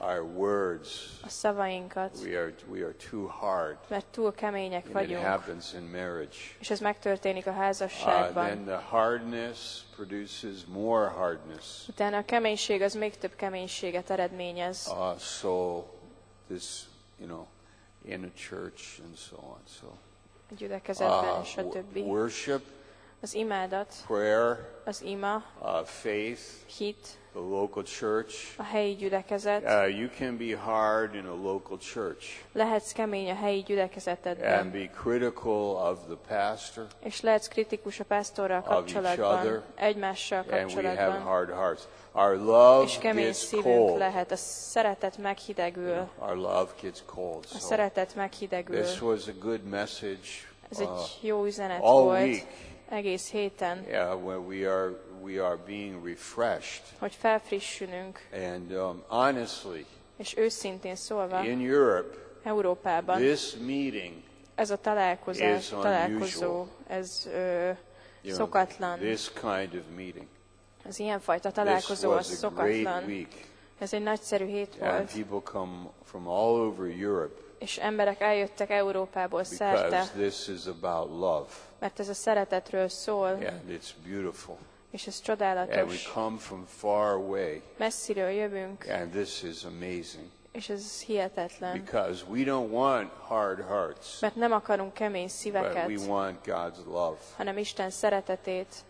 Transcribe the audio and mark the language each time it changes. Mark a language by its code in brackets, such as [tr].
[en] Our words. [hu] A szavainkat. [en] We are too hard. [hu] Mert túl kemények vagyunk. [en] It happens in marriage. [hu] És ez megtörténik a házasságban. [en] Then the hardness produces more hardness. [hu] Utána a keménység az még több keménységet eredményez. [en] So this, you know, in a church and so on. So [hu] a gyülekezetben és a többi. [en] Worship, [hu] az imádat, [en] prayer, [hu] az ima, [en] faith, [hu] hit, [en] the local church, [hu] a helyi gyülekezet. [en] You can be hard in a local church. [hu] Lehetsz kemény a helyi gyülekezetedben. [en] And be critical of the pastor. [hu] És lehetsz kritikus a pásztorral kapcsolatban. [en] Of each other. [hu] Egymással kapcsolatban. [en] And we have hard hearts. Our love [hu] és kemény szívünk lehet. A szeretet meghidegül. [en] You know, our love gets cold. [hu] A szeretet meghidegül. [en] This was a good message. [hu] Ez egy jó üzenet [en] all [hu] volt. [en] Week. [hu] Egész héten. [en] Yeah, when we are being refreshed. [hu] Hogy felfrissülünk. [en] And honestly. [hu] És őszintén szólva. [en] In Europe. [hu] Európában. [en] This meeting. [hu] Ez a találkozás, találkozó, ez szokatlan. [en] Know, this kind of meeting. [hu] Ez ilyenfajta találkozó, [en] this [hu] az szokatlan. [en] Week. [hu] Ez egy nagyszerű hét volt. [en] And people come from all over Europe. [hu] És emberek eljöttek Európából szerte. [en] Because this is about love. [hu] Mert ez a szeretetről szól. [en] And it's beautiful. [hu] És ez csodálatos. [en] And we come from far away. [hu] Messziről jövünk. [en] And this is amazing. [hu] És ez hihetetlen. [en] Because we don't want hard hearts. [hu] Mert nem akarunk kemény szíveket. [en] But we want God's love. [hu] Hanem Isten szeretetét.